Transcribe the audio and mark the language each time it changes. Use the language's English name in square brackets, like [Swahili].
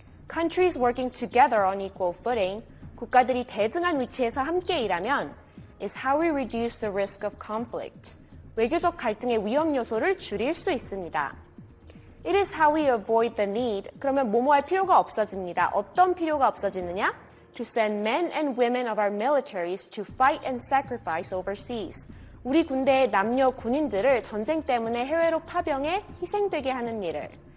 [English] Countries working together on equal footing, [Korean] 국가들이 대등한 위치에서 함께 일하면, [English] is how we reduce the risk of conflict. [Korean] 외교적 갈등의 위험 요소를 줄일 수 있습니다. [English] It is how we avoid the need. [Korean] 그러면 뭐뭐할 필요가 없어집니다. 어떤 필요가 없어지느냐? [English] To send men and women of our militaries to fight and sacrifice overseas. [Korean] 우리 군대의 남녀 군인들을 전쟁 때문에 해외로 파병해 희생되게 하는 일을.